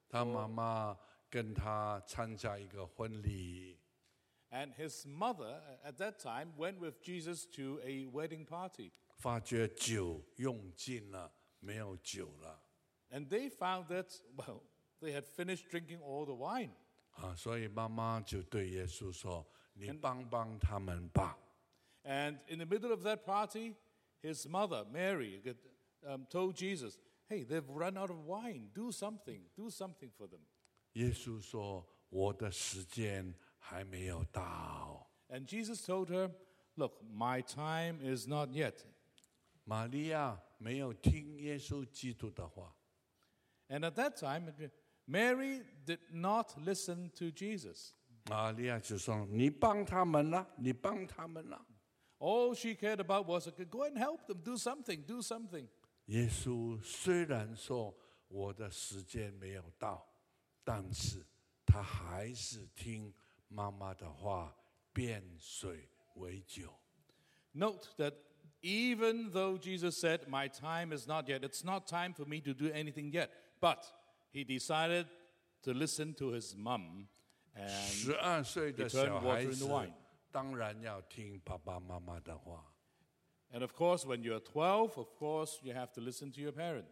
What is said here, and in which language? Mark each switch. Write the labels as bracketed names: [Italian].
[Chinese] 他妈妈跟他参加一个婚礼。 [English] And his mother at that time went with Jesus to a wedding party. [Chinese] 发觉酒用尽了，没有酒了。 [English] And they found that, well, they had finished drinking all the wine. [Chinese] 所以妈妈就对耶稣说：“你帮帮他们吧。” [English] And in the middle of that party, his mother Mary told Jesus, "Hey, they've run out of wine. Do something for them." [Chinese] 耶稣说：“我的时间还没有到。” [English] And Jesus told her, "Look, my time is not yet." [Chinese] 玛利亚没有听耶稣基督的话。 [English] And at that time, Mary did not listen to Jesus. [Chinese] 玛利亚就说：“你帮他们啦，你帮他们啦。” [English] All she cared about was, "Go and help them. Do something." [Chinese] 耶稣虽然说我的时间没有到，但是他还是听妈妈的话，变水为酒。 [English] Note that even though Jesus said, "My time is not yet," it's not time for me to do anything yet, but he decided to listen to his mom and [Chinese] 12岁的小孩子当然要听爸爸妈妈的话。 [English] And of course, when you're 12, of course, you have to listen to your parents.